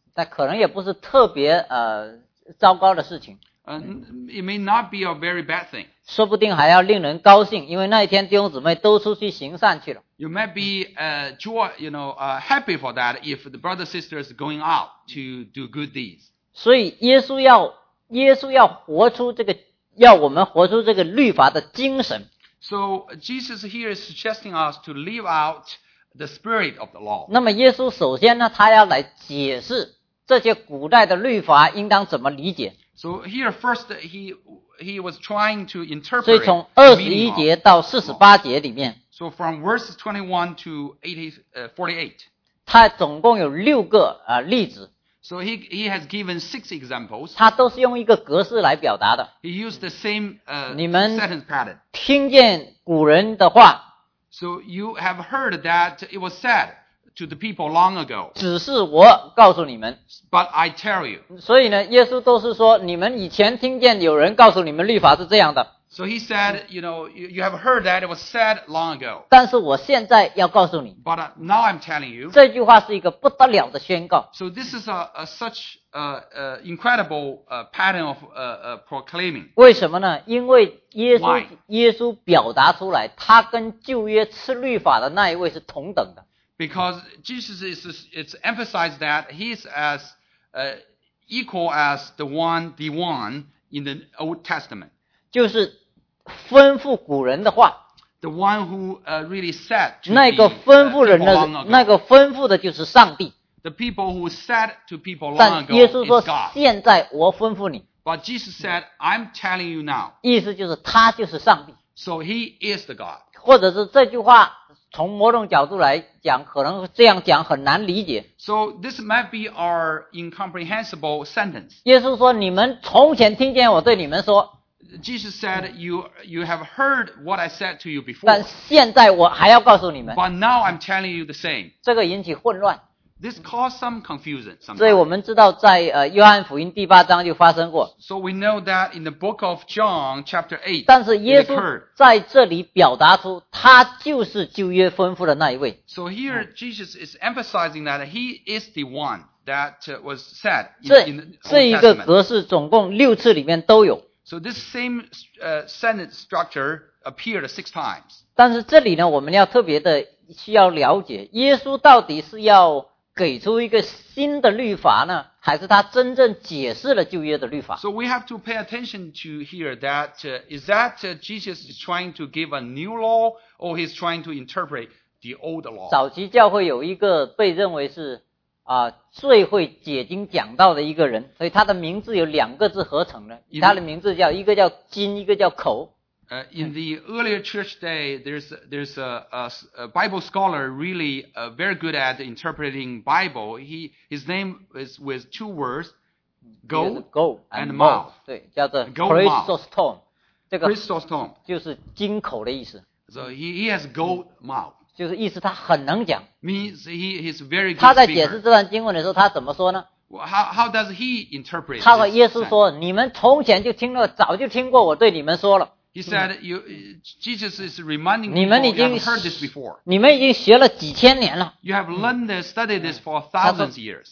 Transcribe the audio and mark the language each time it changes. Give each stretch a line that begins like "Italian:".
Chinese: 但可能也不是特别糟糕的事情。
English: It may not be a very bad thing.
Chinese: 说不定还要令人高兴，因为那一天弟兄姊妹都出去行善去了。
English: You may be happy for that if the brother sisters going out to do good deeds.
Chinese: 所以耶稣要活出这个，要我们活出这个律法的精神。
English: So Jesus here is suggesting us to live out the spirit of the law.
Chinese: 那么耶稣首先呢，他要来解释这些古代的律法应当怎么理解。
English: So here first he was trying to interpret.
Chinese: 所以从21节到48节里面。
English: So from verse 21 to 48.
Chinese: 他总共有六个例子。
English: So he has given six examples.
Chinese: 他都是用一个格式来表达的。
English: He used the same sentence pattern.
Chinese: 你们听见古人的话。
English: So you have heard that it was said to the people long ago.
Chinese: 只是我告诉你们。
English: But I tell you.
Chinese: 所以呢，耶稣都是说，你们以前听见有人告诉你们律法是这样的。
English: So he said, you know, you have heard that it was said long ago.
Chinese: 但是我现在要告诉你。
English: But now I'm telling you.
Chinese: 这句话是一个不得了的宣告。
English: So this is such incredible pattern of proclaiming.
Chinese: 为什么呢？因为耶稣表达出来，他跟旧约吃律法的那一位是同等的。
English: Because Jesus is emphasized that he's as equal as the one in the Old Testament.
Chinese: 就是吩咐古人的话。
English: The one who really said to people.
Chinese: 那个吩咐人的，那个吩咐的就是上帝。
English: The people who said to people long ago is God.
Chinese: 但耶稣说，现在我吩咐你。
English: But Jesus said, I'm telling you now.
Chinese: 意思就是他就是上帝。
English: So he is the God.
Chinese: 或者是这句话从某种角度来讲，可能这样讲很难理解。
English: So this might be our incomprehensible sentence.
Chinese: 耶稣说，你们从前听见我对你们说。
English: Jesus said, you have heard what I said to you before.
Chinese: 但现在我还要告诉你们。
English: But now I'm telling you the same.
Chinese: 这个引起混乱。
English: This caused some confusion. Sometimes.
Chinese: 所以我们知道在约翰福音第八章就发生过。
English: So we know that in the book of John, chapter 8,
Chinese: 但是耶稣在这里表达出他就是旧约吩咐的那一位。
English: So here Jesus is emphasizing that he is the one that was said in the Old Testament.
Chinese: 这一个格式总共六次里面都有。
English: So this same sentence structure appeared six times.
Chinese: 但是这里呢，我们要特别的需要了解，耶稣到底是要给出一个新的律法呢，还是他真正解释了旧约的律法？
English: So we have to pay attention to here that is that Jesus is trying to give a new law or he's trying to interpret the old law?
Chinese: 早期教会有一个被认为是最会解经讲道的一个人，所以他的名字有两个字合成的，他的名字叫一个叫金，一个叫口。
English: In the earlier church day, there's a Bible scholar really very good at interpreting Bible. His name is with two words, goat and mouth.
Chinese: 对，叫做 Chrysostom， 这个
English: Chrysostom
Chinese: 就是金口的意思。
English: So he has goat mouth.
Chinese: 就是意思他很能讲。
English: Means he is very good.
Chinese: 他在解释这段经文的时候，他怎么说呢？
English: How does he interpret?
Chinese: 他和耶稣说：“你们从前就听了，早就听过我对你们说了。”
English: He said, "Jesus is reminding you.
Chinese: 你们已经
English: heard this before.
Chinese: 你们已经学了几千年了。
English: You have learned this, studied this for thousands of years.